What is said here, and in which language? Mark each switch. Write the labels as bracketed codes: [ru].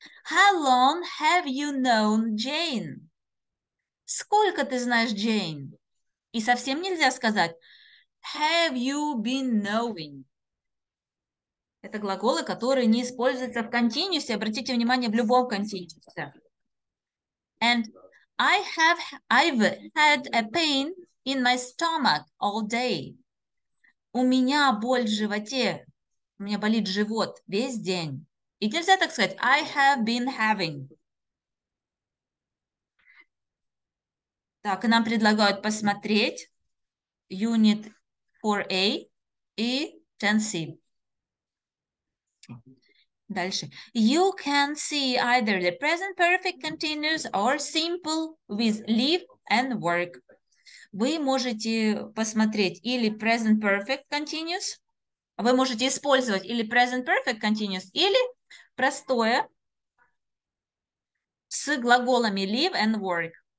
[en] How long have you known Jane? [ru] Сколько ты знаешь Джейн? И совсем нельзя сказать [en] have you been knowing? [ru] Это глаголы, которые не используются в континьюсе. Обратите внимание, в любом континьюсе. [en] And I've had a pain in my stomach all day. [ru] У меня боль в животе. У меня болит живот весь день. И нельзя так сказать. [en] I have been having. [ru] Так, нам предлагают посмотреть Unit 4A и 10C. Дальше. [en] You can see either the present perfect continuous or simple with live and work. [ru] Вы можете посмотреть или present perfect continuous. Вы можете использовать или present perfect continuous, или простое с глаголами [en] live and work.